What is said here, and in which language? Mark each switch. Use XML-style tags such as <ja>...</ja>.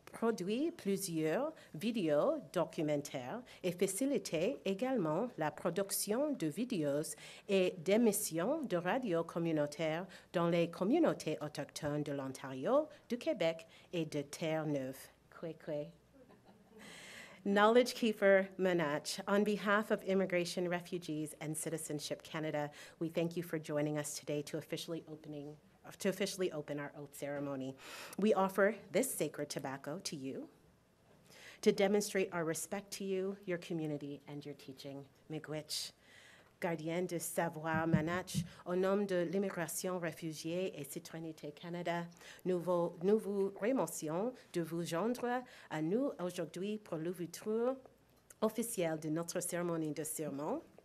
<fr>produit plusieurs vidéos documentaires et facilite également la production de vidéos et d'émissions de radio communautaires dans les communautés autochtones de l'Ontario, du Québec et de Terre-Neuve.</fr> <alq>Kwekwe.</alq> <en>Knowledge Keeper Manatch, on behalf of Immigration, Refugees, and Citizenship Canada, we thank you for joining us today to officially open our oath ceremony. We offer this sacred tobacco to you to demonstrate our respect to you, your community, and your teaching.</en> <alq>Miigwech.</alq> <fr>Gardien de savoir Manatch, au nom de l'immigration, réfugiés et citoyenneté Canada, nous vous remercions de vous joindre à nous aujourd'hui pour l'ouverture officielle de notre cérémonie de serment.</fr>